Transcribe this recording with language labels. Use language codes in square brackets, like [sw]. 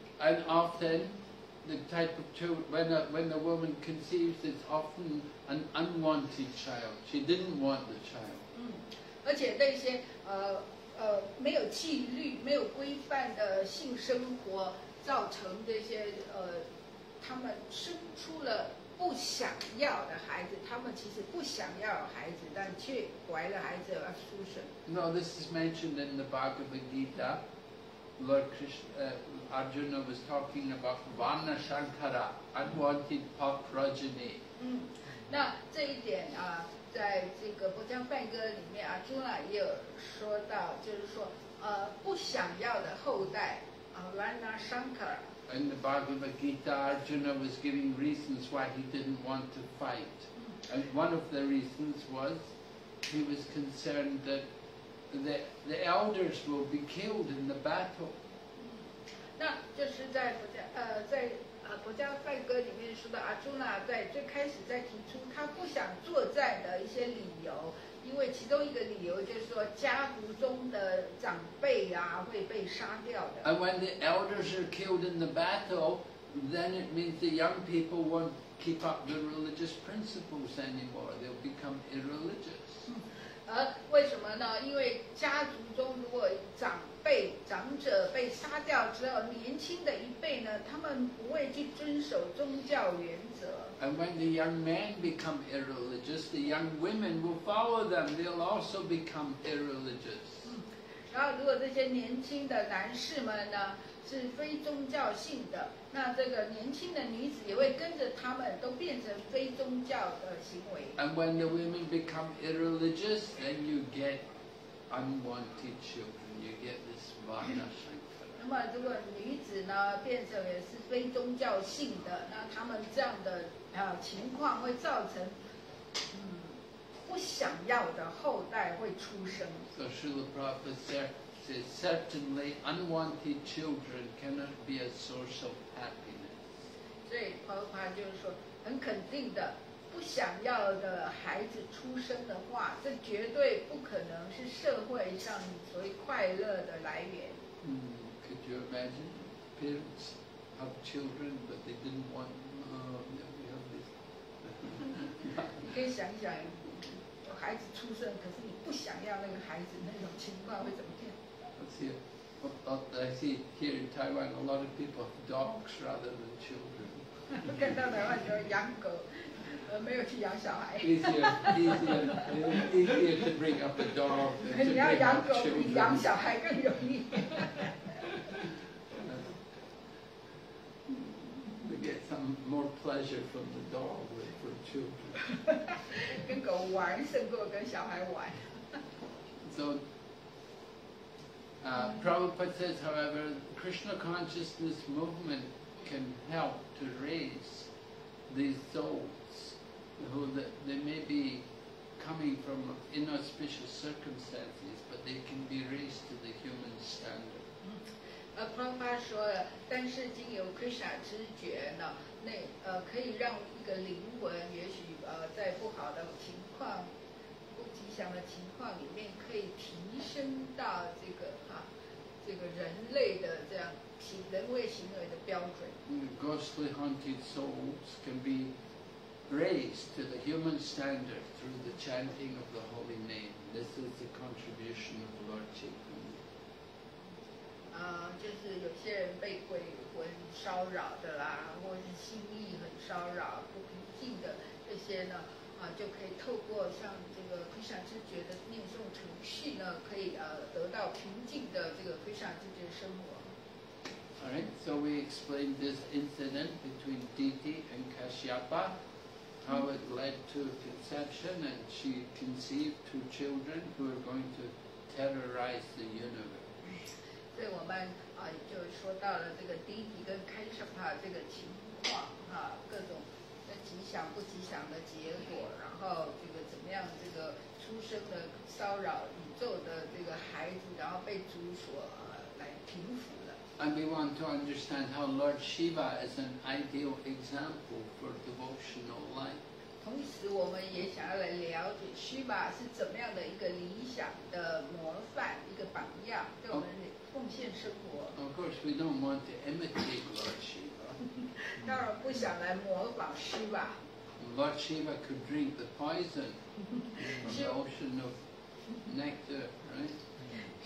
[en] And often, the type of child, when the woman conceives, it's often an unwanted child. She didn't want the child. [zh] 而且那些没有纪律、没有规范的性生活，造成这些他们生出了不想要的孩子，他们其实不想要孩子，但却怀了孩子而出生。 [en] No, this is mentioned in the Bhagavad Gita. Lord Krishna, Arjuna was talking about Vana Shankara, unwanted pop progeny. [zh] 那这一点啊，在这个《波江梵歌》里面，Arjuna也有说到，就是说，不想要的后代啊，Vana Shankara。 [en] In the Bhagavad Gita, Arjuna was giving reasons why he didn't want to fight. And one of the reasons was he was concerned that the elders will be killed in the battle. [zh] 那就是在佛家梵歌里面说的，Arjuna在最开始在提出他不想作战的一些理由，因为其中一个理由就是说家族中的长辈啊会被杀掉的。 [en] And when the elders are killed in the battle, then it means the young people won't keep up the religious principles anymore. They'll become irreligious. [zh] 为什么呢？因为家族中如果长者被杀掉之后，年轻的一辈呢，他们不会去遵守宗教原则。 [en] And when the young men become irreligious, the young women will follow them. They'll also become irreligious. [zh] 然后，如果这些年轻的男士们呢是非宗教性的，那这个年轻的女子也会跟着他们，都变成非宗教的行为。 [en] And when the women become irreligious, then you get unwanted children. You get this Vana Shankara. [zh] 那么，如果女子呢变成也是非宗教性的，那他们这样的情况会造成不想要的后代会出生。 [en] So Srila Prabhupada says, certainly unwanted children cannot be a source of happiness. [zh] 所以，Prabhupada就是说，很肯定的，不想要的孩子出生的话，这绝对不可能是社会上所谓快乐的来源。 [en] Could you imagine parents have children but they didn't want you have this? [zh] 你可以想一想，有孩子出生，可是你不想要那个孩子，那种情况会怎么样？ [en] I see here in Taiwan a lot of people have dogs rather than children. [zh] 看到台湾就养狗，没有去养小孩。 [en] easier to bring up a dog than to bring up children. [zh] 你要养狗比养小孩更容易。 [en] We get some more pleasure from the dog than from children. [zh] 跟狗玩胜过跟小孩玩。 [en] So. Prabhupada says, however, Krishna consciousness movement can help to raise these souls who they may be coming from inauspicious circumstances, but they can be raised to the human standard. [zh] Prabhupada 说了，但是经由 Krishna 知觉呢，那可以让一个灵魂，也许在不好的情况。不吉祥的情况里面可以提升到这个哈、啊、这个人类的这样人类行为的标准。 [en] Ghostly haunted souls can be raised to the human standard through the chanting of the holy name. This is the contribution of Lord Chaitanya. [zh] 就是有些人被鬼魂骚扰的啦，或是心意很骚扰不平静的这些呢。就可以透过像这个 Krishna 知觉的念诵程序呢，可以得到平静的这个 Krishna 知觉生活。 [en] All right, so we explained this incident between Diti and Kashyapa, how it led to conception, and she conceived two children who are going to terrorize the universe. [zh] 所以我们就说到了这个 Diti 跟 Kashyapa 这个情况啊，各种。吉祥不吉祥的结果，然后这个怎么样？这个出生的骚扰宇宙的这个孩子，然后被主所来平服了。 [en] And we want to understand how Lord Shiva is an ideal example for devotional life. [zh] 同时，我们也想要来了解 Shiva 是怎么样的一个理想的模范，一个榜样，对我们奉献生活。 [en] Oh, of course, we don't want to imitate Lord Shiva. [zh] 当然不想来模仿 Shiva. [en] Lord Shiva could drink the poison from the ocean of nectar, right?